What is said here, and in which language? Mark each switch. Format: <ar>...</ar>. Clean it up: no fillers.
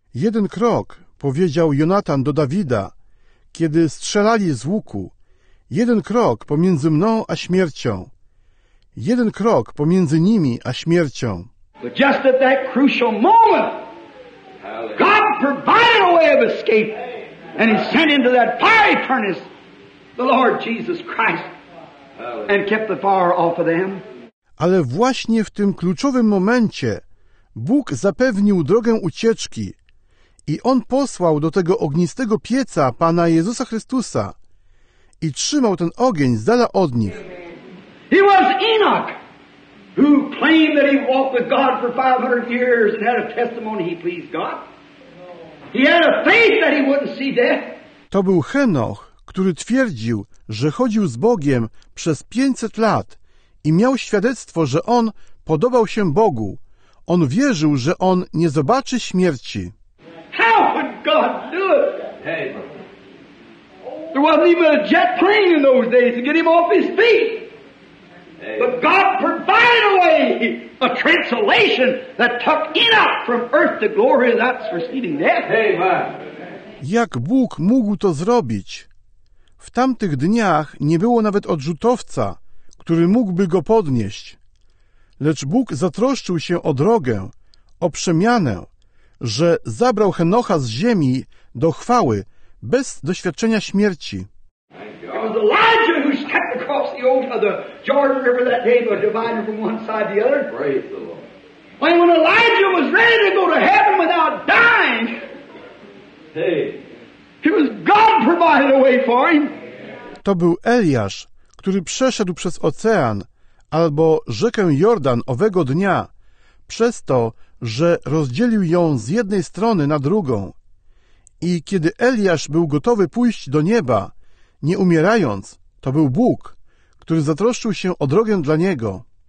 <pl>Jeden krok, powiedział Jonatan do Dawida, kiedy strzelali z łuku. Jeden krok pomiędzy mną a śmiercią. Jeden krok pomiędzy nimi a śmiercią.</pl> <en>But just at that crucial moment, God provided a way of escape, and he sent into that fiery furnace the Lord Jesus Christ and kept the fire off of them.</en> <pl>Ale właśnie w tym kluczowym momencie Bóg zapewnił drogę ucieczki i on posłał do tego ognistego pieca Pana Jezusa Chrystusa i trzymał ten ogień z dala od nich.</pl> <en>He was Enoch, who claimed that he walked with God for 500 years and had a testimony he pleased God. He had a faith that he wouldn't see death.</en> <pl>To był Henoch, który twierdził, że chodził z Bogiem przez 500 lat i miał świadectwo, że on podobał się Bogu. On wierzył, że on nie zobaczy śmierci.</pl> <en>How would God do it? Hey. There wasn't even a jet plane in those days to get him off his feet. But God provided a way, a translation that took Enoch from earth to glory, that's receiving death.</en> <pl>Jak Bóg mógł to zrobić? W tamtych dniach nie było nawet odrzutowca, który mógłby go podnieść. Lecz Bóg zatroszczył się o drogę, o przemianę, że zabrał Henocha z ziemi do chwały bez doświadczenia śmierci.</pl> <en>It was was Elijah who stepped across the old the Jordan River that day, but divided from one side to the other. Praise the Lord. When Elijah was ready to go to heaven without dying, hey, it was God provided a way for him.</en> <pl>To był Eliasz, który przeszedł przez ocean albo rzekę Jordan owego dnia, przez to, że rozdzielił ją z jednej strony na drugą. I kiedy Eliasz był gotowy pójść do nieba, nie umierając, to był Bóg, który zatroszczył się o drogę dla niego.</pl>